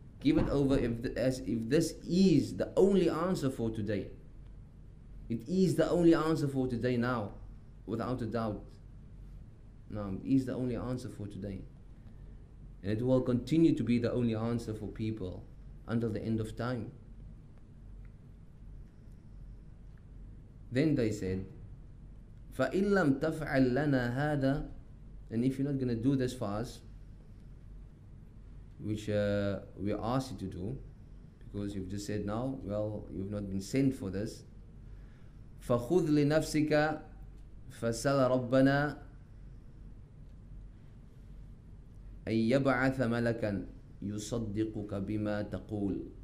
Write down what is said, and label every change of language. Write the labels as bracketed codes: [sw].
[en] Give it over as if this is the only answer for today. It is the only answer for today now, without a doubt. No, it is the only answer for today. And it will continue to be the only answer for people until the end of time. Then they said, [ar] فَإِن لَمْ تَفْعَلْ لَنَا هَذَا. [en] And if you're not going to do this for us, which we asked you to do, because you've just said now, well, you've not been sent for this, [ar] فَخُذْ لِنَفْسِكَ فَسَلْ رَبَّنَا أَن يَبْعَثَ مَلَكًا يُصَدِّقُكَ بِمَا تَقُولُ.